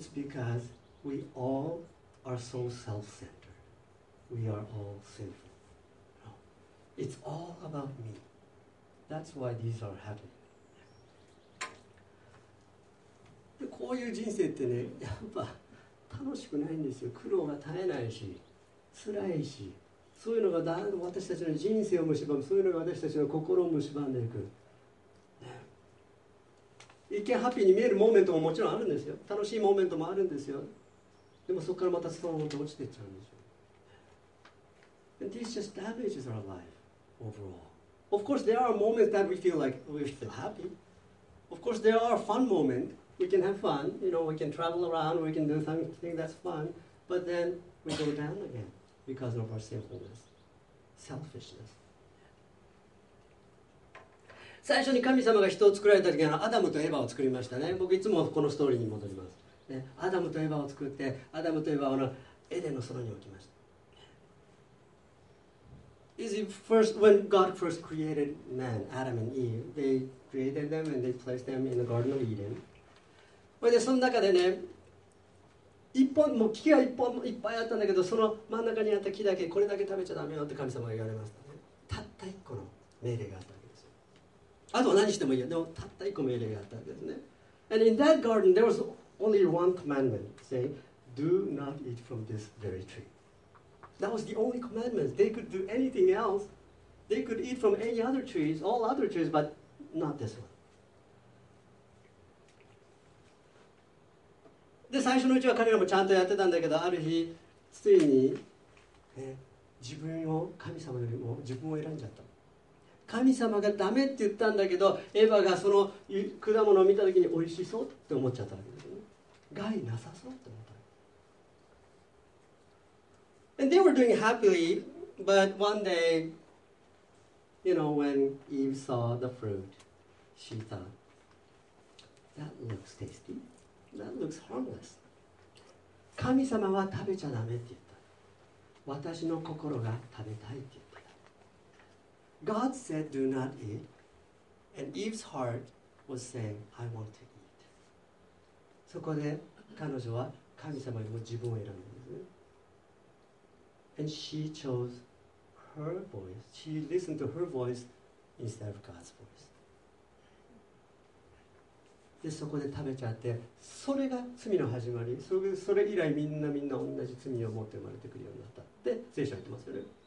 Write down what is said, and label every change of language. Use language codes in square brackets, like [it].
[en] It's because we all are so self-centered. We are all sinful. No. It's all about me. That's why these are happening. [ja] でこういう人生ってね、やっぱ楽しくないんですよ。苦労が絶えないし、辛いし、そういうのが私たちの人生を蝕む、そういうのが私たちの心を蝕んでいく。一見ハッピーに見えるモーメントももちろんあるんですよ。楽しいモーメントもあるんですよ。でもそこからまたストーンと落ちていっちゃうんですよ。 [en] And this just damages our life overall. Of course, there are moments that we feel like we feel happy. Of course, there are fun moments. We can have fun. You know, we can travel around. We can do something that's fun. But then we go down again because of our sinfulness, selfishness. [ja] 最初に神様が人を作られた時にアダムとエヴァを作りましたね。僕いつもこのストーリーに戻ります、ね、アダムとエヴァを作ってアダムとエヴァをのエデンの園に置きました。 [en] Is it first, when God first created man, Adam and Eve, they created them and they placed them in the Garden of Eden. [ja] でその中でね、一本もう木が一本もいっぱいあったんだけど、その真ん中にあった木だけ、これだけ食べちゃダメよって神様が言われました、ね、たった一個の命令があった。あとは何してもいいよ。でもたった一個命令があったんですね。 [en] And in that garden, there was only one commandment. Say, do not eat from this very tree. That was the only commandment. They could do anything else. They could eat from any other trees, all other trees, but not this one. [ja] で、最初のうちは彼らもちゃんとやってたんだけど、ある日、ついに、自分を神様よりも自分を選んじゃった。神様がダメって言ったんだけど、エヴァがその果物を見たときに美味しそうって思っちゃったわけですね。害なさそうって思った。 [en] And they were doing happily, but one day, you know, when Eve saw the fruit, she thought, that looks tasty, that looks harmless. [ja] 神様は食べちゃダメって言った。私の心が食べたいって言った。 [en] God said, do not eat. And Eve's heart was saying, I want to eat. [ja] そこで彼女は神様にも自分を選んだんですね。 [en] And she chose her voice. She listened to her voice instead of God's voice. [ja] で、そこで食べちゃって、それが罪の始まり。それ以来みんな同じ罪を持って生まれてくるようになった。で、聖書言ってますよね。